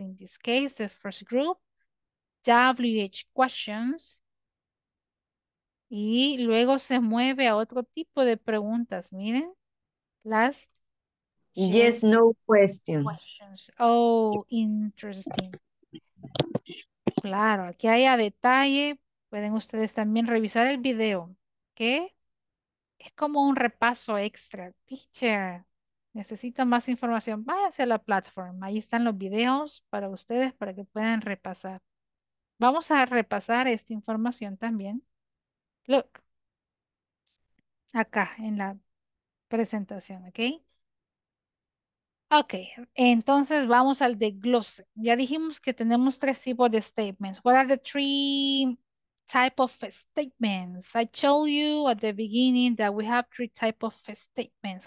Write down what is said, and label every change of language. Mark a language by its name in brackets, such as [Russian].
[English] In this case, the first group, WH questions. [Spanish] Y luego se mueve a otro tipo de preguntas. Miren, las. [English] Yes, no question. Questions. Oh, interesting. [Spanish] Claro, aquí hay a detalle. Pueden ustedes también revisar el video. ¿Qué? Es como un repaso extra. Teacher, necesito más información. Váyase a la plataforma. Ahí están los videos para ustedes para que puedan repasar. Vamos a repasar esta información también. [English] Look. [Spanish] Acá en la presentación, ¿ok? Ok, entonces vamos al desglose. Ya dijimos que tenemos tres tipos de statements. [English] What are the three type of statements? I told you at the beginning that we have three type of statements.